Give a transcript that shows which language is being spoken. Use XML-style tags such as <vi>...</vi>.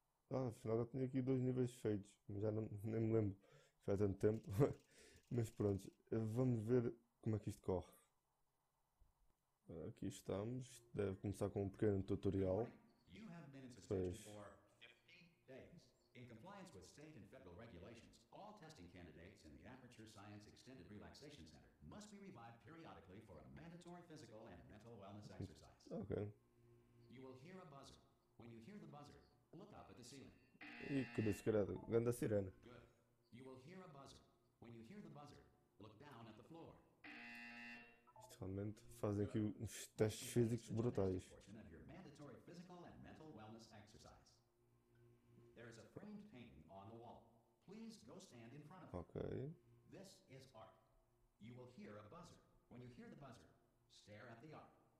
<pt>Afinal, já tinha aqui dois níveis feitos, já não, nem me lembro, faz tanto tempo. Mas pronto, vamos ver como é que isto corre. Aqui estamos, deve começar com um pequeno tutorial.</pt> <en>You have been in suspension</en> <pt>Pois.</pt> <en>for 50 days. In compliance with state and federal regulations, all testing candidates in the Aperture Science Extended Relaxation Center must be revived periodically for a mandatory physical and mental wellness exercise. Ok. You will hear a buzzer. When you hear the buzzer, look up at the ceiling.</en> <pt>E que descarada, grande sirene.</pt> <en>Good. You will hear a buzzer. When you hear the buzzer, look down at the floor.</en> <pt>Isto realmente faz aqui uns testes físicos brutais.</pt> <en>Mandatory physical and mental wellness exercise. There is a framed painting on the wall. Please go stand in front of it. Ok. This is art. You will hear a buzzer. When you hear the buzzer, stare at the art.</en>